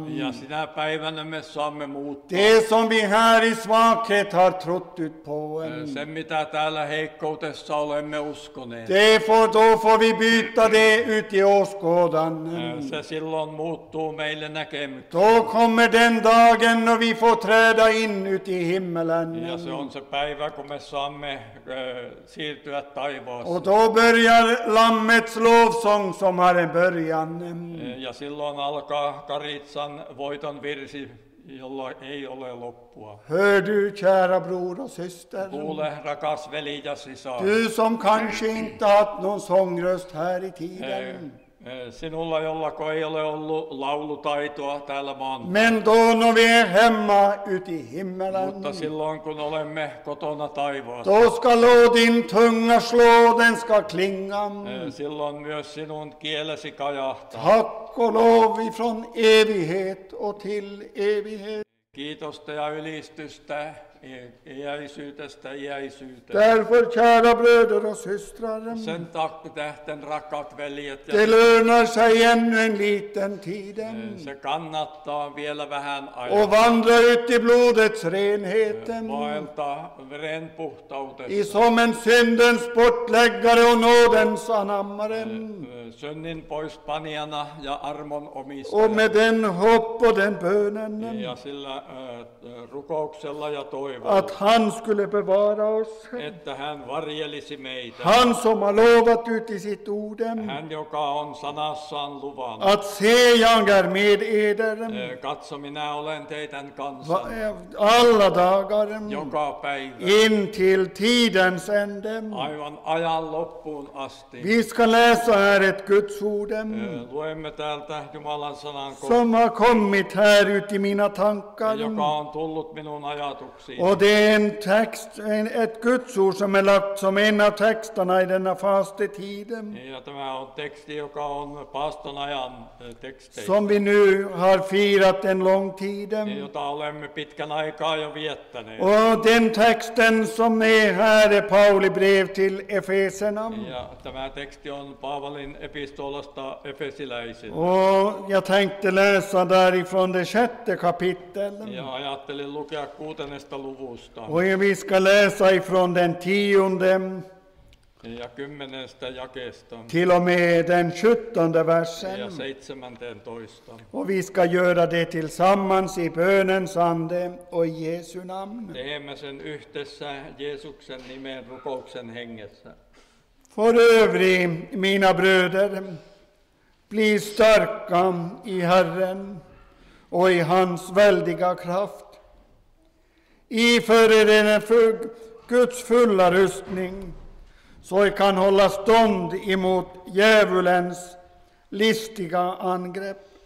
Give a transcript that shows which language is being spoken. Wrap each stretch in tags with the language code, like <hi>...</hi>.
<fi>Ja sinä päivänä me saamme muuttaa.</fi> <sv>Det som vi här i svaghet har trott ut på.</sv> <fi>Se mitä täällä heikkoutessa olemme uskoneet.</fi> <sv>Det får, då får vi byta det ut i åskådanden.</sv> <fi>Se silloin muuttuu meille näkemyksi.</fi> <sv>Då kommer den dagen när vi får träda in ut i himmelen.</sv> <fi>Ja se on se päivä, kun me saamme siirtyä taivaaseen.</fi> <sv>Och då börjar lammets lovsång som har en början.</sv> <fi>Ja silloin alkaa karitsan voiton virsi. Jolla ei ole loppua.</fi> <sv>Hör du, kära bror och syster.</sv> <fi>Kuule, rakas veli ja sisar.</fi> <sv>Du som kanske inte haft någon sångröst här i tiden.</sv> <fi>Sinulla, jollako ei ole ollut laulutaitoa täällä maan.</fi> <sv>Men då när vi är hemma ute i himmelen.</sv> <fi>Mutta silloin kun olemme kotona taivaassa.</fi> <sv>Då ska lådin tunga slå, den ska klinga.</sv> <fi>Silloin myös sinun kielesi kajahtaa.</fi> <sv>Tack och lov ifrån evighet och till evighet.</sv> <fi>Kiitosta ja ylistystä iäisyytestä iäisyyteen.</fi> <sv>Därför, kära bröder och systrar.</sv> <fi>Sen tack, tähten, rakat veljet.</fi> <sv>Det lönar sig ännu en liten tiden.</sv> <fi>Se kannattaa vielä vähän aikaa.</fi> <sv>Och vandra ut i blodets renheten.</sv> <fi>Vaelta ren puhtautesta.</fi> <sv>I som en syndens bortläggare och nådens anammare.</sv> <fi>Synnin poispanijana ja armon omistaja.</fi> <sv>Och med den hopp och den bönen.</sv> <fi>Ja sillä rukouksella ja toivolla.</fi> <sv>Att han skulle bevara oss.</sv> <fi>Että hän varjelisi meitä.</fi> <sv>Han som har lovat ut i sitt orden.</sv> <fi>Hän joka on sanassaan luvannut.</fi> <sv>Att se jag är med eder.</sv> <fi>Katso, minä olen teidän kanssa.</fi> <sv>Alla dagar.</sv> <fi>Joka päivä.</fi> <sv>In till tidens ände.</sv> <fi>Aivan ajan loppuun asti.</fi> <sv>Vi ska läsa här ett Guds ord.</sv> <fi>Luemme täältä Jumalan sanan.</fi> <sv>Som har kommit här ut i mina tankar.</sv> <fi>Joka on tullut minun ajatuksiin.</fi> <sv>Och det är en text, ett Guds ord som är lagt som en av texterna i denna fastetiden.</sv> <fi>Ja tämä on teksti, joka on fastan ajan teksteistä.</fi> <sv>Som vi nu har firat en lång tiden.</sv> <fi>Jota olemme pitkän aikaa jo viettäneet.</fi> <sv>Och den texten som är här är Pauli brev till Efeserna.</sv> <fi>Ja tämä teksti on Paavalin epistolasta Efesiläisille.</fi> <sv>Och jag tänkte läsa därifrån det sjätte kapitlet.</sv> <fi>Ja ajattelin lukea kuutenesta luvusta.</fi> <sv>Och vi ska läsa ifrån den tionde</sv> <fi>ja kymmenestä jakesta</fi> <sv>till och med den sjuttonde versen</sv> <fi>ja 17.</fi> <sv>Och vi ska göra det tillsammans i bönens ande och i Jesu namn.</sv> <fi>Teemme sen yhdessä Jeesuksen nimen rukouksen hengessä.</fi> <sv>För övrig, mina bröder, bli starka i Herren och i hans väldiga kraft. Iför er en Guds fulla rustning, så jag kan hålla stånd emot djävulens listiga angrepp.</sv>